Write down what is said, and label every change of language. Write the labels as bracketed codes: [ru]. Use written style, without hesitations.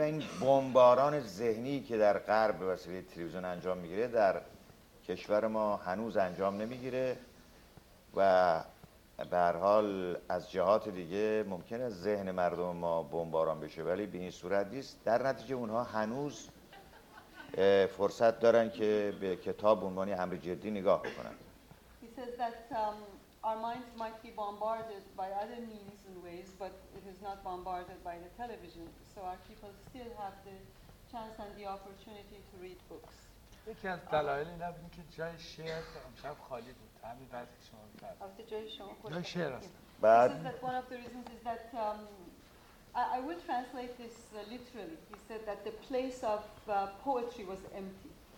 [fa] و این بمباران ذهنی که در غرب به وسیله تلویزیون انجام میگیره در کشور ما هنوز انجام نمیگیره و به هر حال از جهات دیگه ممکنه ذهن مردم ما بمباران بشه ولی به این صورت نیست در نتیجه اونها هنوز فرصت دارن که به کتاب عنوانی امر جدی نگاه کنن. [en] He says that our minds might be bombarded by other means and ways but it is not bombarded by the television so our people still have the chance and the opportunity to read books. [fa] یکی از دلایل اینه که جای شعر امشب خالی بود. [en] But he says that one of the reasons is that I will translate this literally. He said that the place of poetry was empty.